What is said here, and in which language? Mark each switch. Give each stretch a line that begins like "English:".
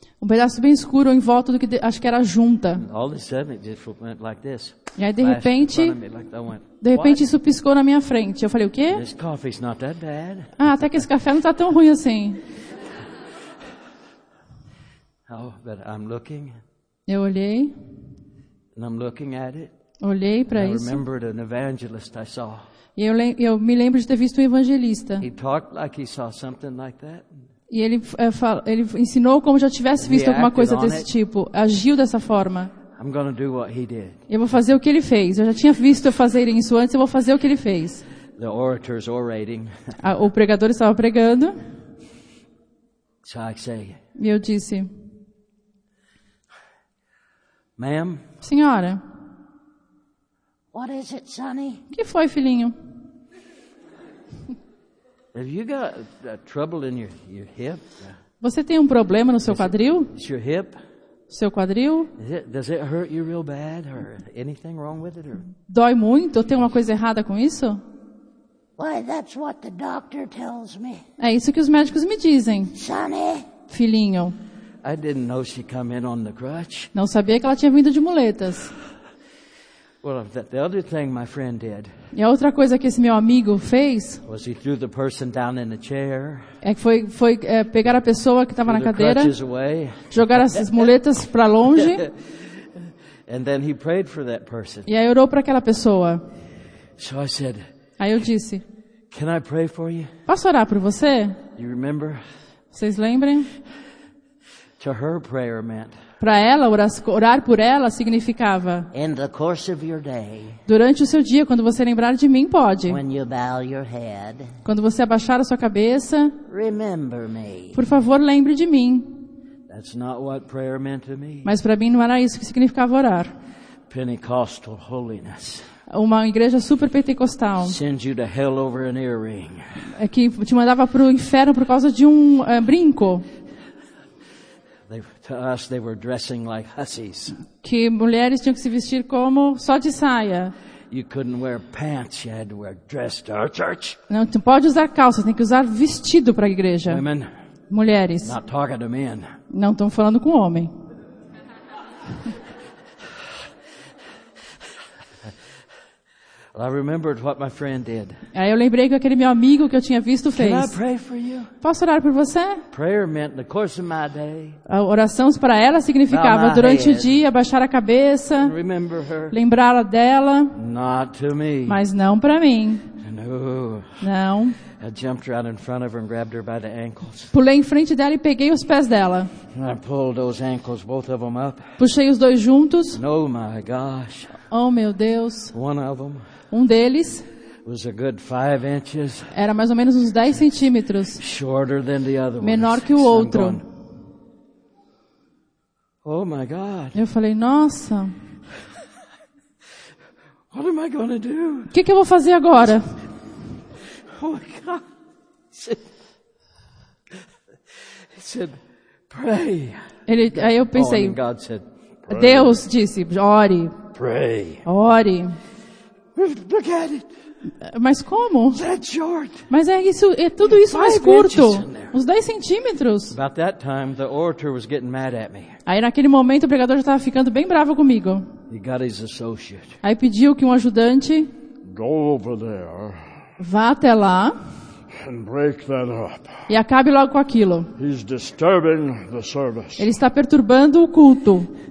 Portuguese: Um pedaço bem escuro em volta do que acho que era a junta.
English: All of a sudden it just went like this.
Portuguese: E aí, de repente, isso piscou na minha frente. Eu falei, o quê?
English: This coffee's not that bad.
Portuguese: Ah, até que esse café não está tão ruim assim.
English: Oh, but I'm looking.
Portuguese: Eu olhei.
English: And I'm looking at it.
Portuguese: Olhei para isso.
English: I remembered an evangelist I saw.
Portuguese: E eu me lembro de ter visto um evangelista.
English: He talked like he saw something like that.
Portuguese: E ele ensinou como já tivesse visto alguma coisa desse tipo. Agiu dessa forma.
English: I'm gonna do what he did.
Portuguese: Eu vou fazer o que ele fez. Eu já tinha visto eu fazer isso antes. Eu vou fazer o que ele fez.
English: The orator's orating.
Portuguese: O pregador estava pregando.
English: So I say,
Portuguese: e eu disse,
English: ma'am.
Portuguese: Senhora.
English: What is it, Sonny?
Portuguese: Que foi, filhinho?
English: Have you got a trouble in your hip?
Portuguese: Você tem um problema no seu quadril?
English: It's your hip.
Portuguese: Seu quadril?
English: Does it hurt you real bad or anything wrong with it?
Portuguese: Dói muito? Tem uma coisa errada com isso?
English: Why, that's what the doctor tells me.
Portuguese: É isso que os médicos me dizem.
English: Sonny.
Portuguese: Filhinho.
English: I didn't know she come in on the crutch.
Portuguese: Não sabia que ela tinha vindo de muletas.
English: Well, the other thing my friend did.
Portuguese: E a outra coisa que esse meu amigo fez?
English: Was he threw the person down in the chair?
Portuguese: É que foi pegar a pessoa que estava na cadeira.
English: Crutches away.
Portuguese: Jogar as muletas para longe.
English: And then he prayed for that person.
Portuguese: E aí orou para aquela pessoa.
English: So I said.
Portuguese: Aí eu disse.
English: Can I pray for you?
Portuguese: Posso orar por você?
English: You remember?
Portuguese: Vocês lembram?
English: To her prayer meant.
Portuguese: Para ela, orar por ela significava
English: in the course of your day,
Portuguese: durante o seu dia, quando você lembrar de mim, pode.
English: When you bow your head,
Portuguese: quando você abaixar a sua cabeça,
English: remember me.
Portuguese: Por favor, lembre de mim.
English: That's not what prayer meant to me.
Portuguese: Mas para mim não era isso que significava orar.
English: Pentecostal holiness.
Portuguese: Uma igreja super pentecostal.
English: Send you to hell over an earring.
Portuguese: É que te mandava para o inferno por causa de um brinco.
English: to us, they were dressing like hussies.
Portuguese: Que mulheres tinham que se vestir como só de saia.
English: You couldn't wear pants, you had to wear dress to our church.
Portuguese: Não, tu pode usar calça, tem que usar vestido para a igreja.
English: Women,
Portuguese: mulheres.
English: Not talking to men.
Portuguese: Não estão falando com homem.
English: Well, I remembered what my friend did.
Portuguese: Aí eu lembrei que aquele meu amigo que eu tinha visto fez.
English: Can I pray for you?
Portuguese: Posso orar por você?
English: Prayer meant the course of my day.
Portuguese: A oração para ela significava durante o dia baixar a cabeça,
English: remember her.
Portuguese: Lembrá-la dela.
English: Not to me.
Portuguese: Mas não para mim.
English: No.
Portuguese: Não.
English: I jumped right in front of her and grabbed her by the ankles.
Portuguese: Pulei em frente dela e peguei os pés dela.
English: And I pulled those ankles, both of them up.
Portuguese: Puxei os dois juntos.
English: No, my gosh.
Portuguese: Oh, meu Deus.
English: One of them.
Portuguese: Um deles.
English: Was a good 5 inches.
Portuguese: Era mais ou menos uns 10 centímetros.
English: Shorter than the other one.
Portuguese: Menor que o outro.
English: Oh my God.
Portuguese: Eu falei, nossa.
English: What am I gonna do?
Portuguese: Que eu vou fazer agora?
English: Oh my God. He said, pray.
Portuguese: Ele, aí eu pensei.
English: Oh, and God said, pray.
Portuguese: Deus disse, ore.
English: Pray.
Portuguese: Ore.
English: Look at it.
Portuguese: Mas como?
English: That short.
Portuguese: Mas é isso, é tudo isso
English: five
Portuguese: mais curto. Uns 10 centímetros.
English: About that time, the orator was getting mad at me.
Portuguese: Aí naquele momento o pregador já estava ficando bem bravo comigo.
English: He got his associate.
Portuguese: Aí pediu que um ajudante
English: go over there,
Portuguese: vá até lá
English: and break that up.
Portuguese: E acabe logo com aquilo.
English: He's disturbing the service.
Portuguese: Ele está perturbando o culto.